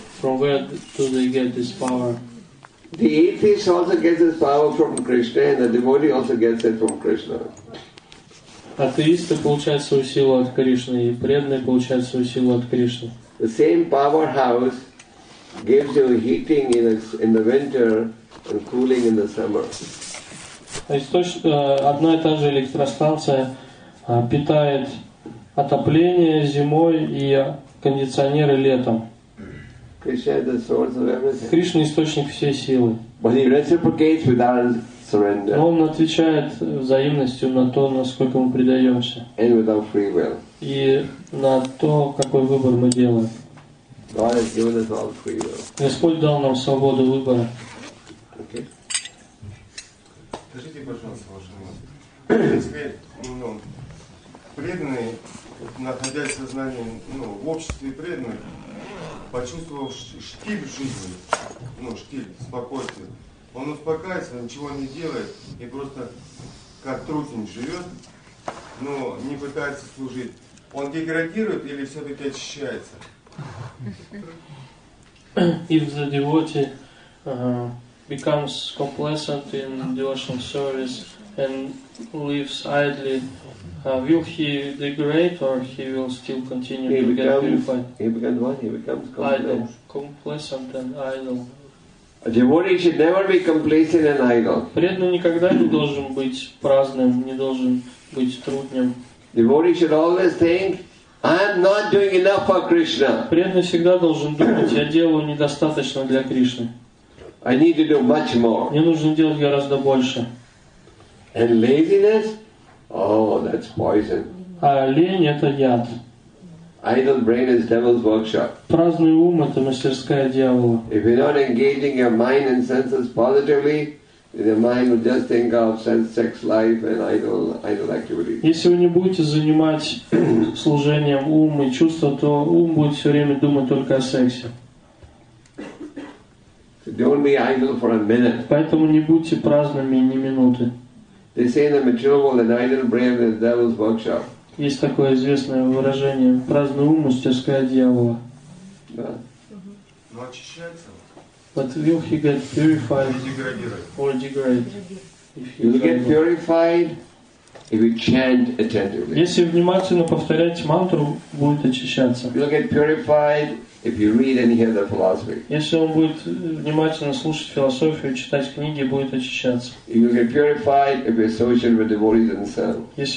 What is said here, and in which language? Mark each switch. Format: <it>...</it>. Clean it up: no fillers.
<en>From where do they get this power? The atheist also gets his power from Krishna, and the devotee also gets it from Krishna.</en> <ru>атеисты получают свою силу от Кришны, и преданные получают свою силу от Кришны.</ru> <en>The same powerhouse gives you heating in the winter and cooling in the summer.</en> <ru>Одна и та же электростанция питает отопление зимой и кондиционеры летом. Кришна — источник всей силы.</ru> <en>But he reciprocates with our surrender.</en> <ru>Но он отвечает взаимностью на то, насколько мы предаемся.</ru> <en>And with our free will.</en> <ru>И на то, какой выбор мы делаем.</ru> <en>God has given us all free will.</en> <ru>Господь дал нам свободу выбора.</ru> <en>Okay.</en> <ru>Скажите, пожалуйста, ваше мнение. Преданный, находясь в сознании, в обществе преданных, почувствовав штиль жизни, штиль, спокойствие, он успокаивается, ничего не делает и просто как трутень живет, но не пытается служить. Он деградирует или все-таки очищается?</ru> <en>If the devotee becomes complacent in devotional service and lives idly, will he degrade or he will still continue he to becomes, get purified? He becomes what? He becomes complacent. Idle, complacent and idle. A devotee should never be complacent and idle.</en> <ru>Преданный никогда не должен быть праздным, не должен быть трутнем.</ru> <en>Devotee should always think, I am not doing enough for Krishna.</en> <ru>Преданный всегда должен думать, я делаю недостаточно для Кришны.</ru> <en>I need to do much more.</en> <ru>Мне нужно делать гораздо больше.</ru> <en>And laziness? Oh, that's poison.</en> <ru>А лень — это яд.</ru> <en>Idle brain is devil's workshop.</en> <ru>Праздный ум — это мастерская дьявола.</ru> <en>If you're not engaging your mind and senses positively, your mind will just think of sense, sex life and idle activity.</en> <ru>Если вы не будете занимать служением ума и чувства, то ум будет все время думать только о сексе.</ru> <en>Don't be idle for a minute.</en> <ru>Поэтому не будьте праздными ни минуты.</ru> <en>They say in the material world that idle brain is the devil's workshop.</en> <ru>Есть такое известное выражение: праздный ум — мастерская дьявола. Да. Но очищается.</ru> <en>But will he get purified or degrade? You'll get purified if you chant attentively.</en> <ru>Если внимательно повторять мантру, будет очищаться.</ru> <en>You'll get purified if you read and hear the philosophy.</en> <ru>Если он будет внимательно слушать философию, читать книги, будет очищаться.</ru> <en>You'll get purified if you associate with devotees and saints.</en>